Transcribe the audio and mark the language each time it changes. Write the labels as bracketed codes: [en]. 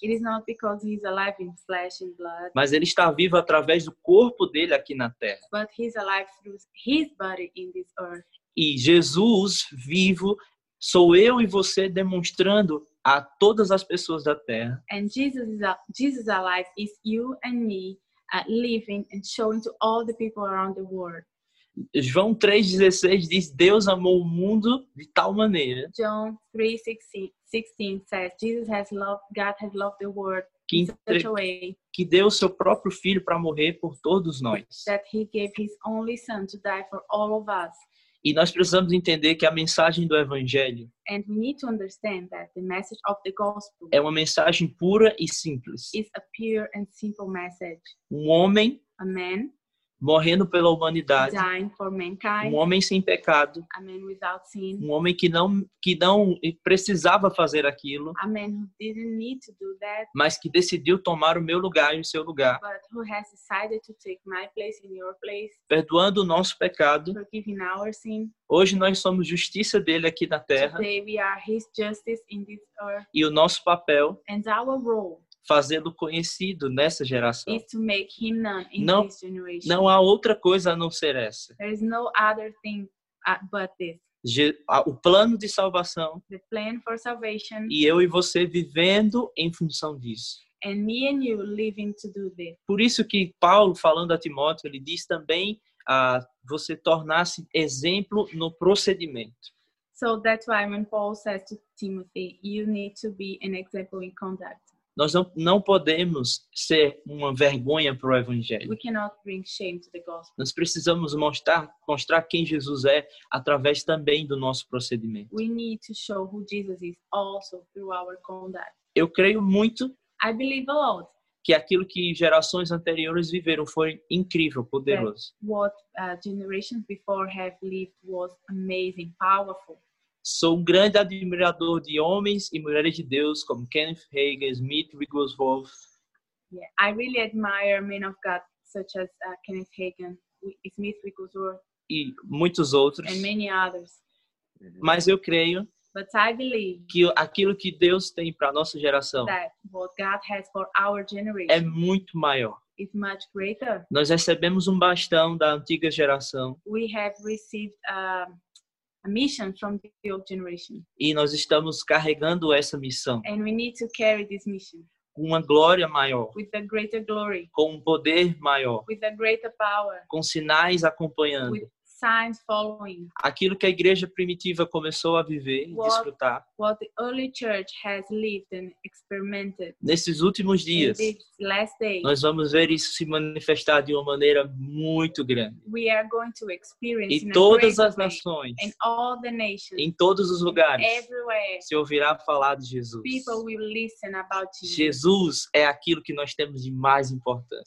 [en] It is not because he is alive in flesh and blood. [pt] Mas ele está vivo através do corpo dele aqui na terra. [en] But he is alive through his body in this earth. [pt] E Jesus vivo sou eu e você demonstrando a todas as pessoas da terra. [en] And Jesus alive is you and me living and showing to all the people around the world. [pt] João 3:16 diz Deus amou o mundo de tal maneira. [en] John 3:16 says Jesus has loved God has loved the world in such a way. [pt] Que deu seu próprio filho para morrer por todos nós. [en] That he gave his only son to die for all of us. [pt] E nós precisamos entender que a mensagem do Evangelho [en] and we need to understand that the message of the gospel [pt] é uma mensagem pura e simples. [en] Is a pure and simple message. [pt] Um homem [en] a man [pt] morrendo pela humanidade, [en] dying for mankind, [pt] um homem sem pecado, [en] a man without sin, [pt] um homem que não precisava fazer aquilo, [en] a man who didn't need to do that, [pt] mas que decidiu tomar o meu lugar e o seu lugar, [en] but who has decided to take my place in your place, [pt] perdoando o nosso pecado, [en] forgiving our sin. [pt] Hoje nós somos justiça dele aqui na terra. [en] Today we are his justice in this earth. [pt] E o nosso papel [en] and our role [pt] fazê-lo conhecido nessa geração. [en] Is to make him known in [pt] não, [en] this generation. [pt] Não há outra coisa a não ser essa. [en] There is no other thing but this. [pt] O plano de salvação. [en] The plan for salvation. [pt] E eu e você vivendo em função disso. [en] And me and you living to do this. [pt] Por isso que Paulo, falando a Timóteo, ele diz também a você tornar-se exemplo no procedimento. [en] So that's why when Paul says to Timothy, you need to be an example in conduct. [pt] Nós não podemos ser uma vergonha para o Evangelho. [en] We cannot bring shame to the gospel. [pt] Nós precisamos mostrar quem Jesus é através também do nosso procedimento. [en] We need to show who Jesus is also through our conduct. [pt] Eu creio muito [en] I believe a lot. [pt] Que aquilo que gerações anteriores viveram foi incrível, poderoso. [en] That what generations before have lived was amazing, powerful. [pt] Sou um grande admirador de homens e mulheres de Deus como Kenneth Hagin, Smith Wigglesworth. [en] Yeah, I really admire men of God such as Kenneth Hagin, Smith Wigglesworth [pt] e muitos outros. [en] And many others. [pt] Mas eu creio [en] but I believe [pt] que aquilo que Deus tem para nossa geração [en] that what God has for our generation [pt] é muito maior. [en] It's much greater. [pt] Nós recebemos um bastão da antiga geração. [en] We have received a mission from the old generation. [pt] E nós estamos carregando essa missão. [en] And we need to carry this mission. [pt] Com uma glória maior. [en] With a greater glory. [pt] Com um poder maior. [en] With a greater power. [pt] Com sinais acompanhando. [en] With signs following. [pt] Aquilo que a igreja primitiva começou a viver e desfrutar. [en] What the early church has lived and experimented. [pt] Nesses últimos dias. [en] These last days. [pt] Nós vamos ver isso se manifestar de uma maneira muito grande. [en] We are going to experience [pt] em todas as nações. [en] In all the nations. [pt] Em todos os lugares. [en] Everywhere. [pt] Se ouvirá falar de Jesus. [en] People will listen about Jesus. [pt] Jesus é aquilo que nós temos de mais importante.